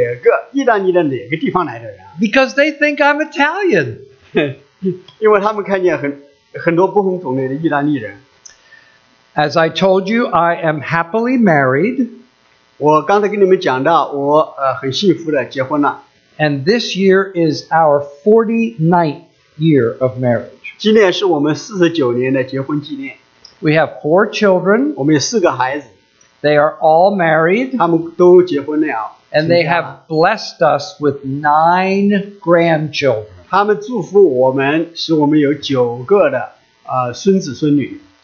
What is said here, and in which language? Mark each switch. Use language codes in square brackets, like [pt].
[zh] 我在用意大利语给他们讲道的时候，他们就会意大利人就问我说：“你是哪个意大利的哪个地方来的人？” [en] Because they think I'm Italian. [zh] 因为他们看见很多不同种类的意大利人。 [en] As I told you, I am happily married. [zh] 我刚才跟你们讲到，我很幸福的结婚了。 [en] And this year is our 49th year of marriage. [zh] 今年是我们49年的结婚纪念。 [en] We have four children. [zh] 我们有四个孩子。 [en] They are all married. [zh] 他们都结婚了。 [en] And they have blessed us with 9 grandchildren. [zh] 他们祝福我们，使我们有9个的孙子孙女。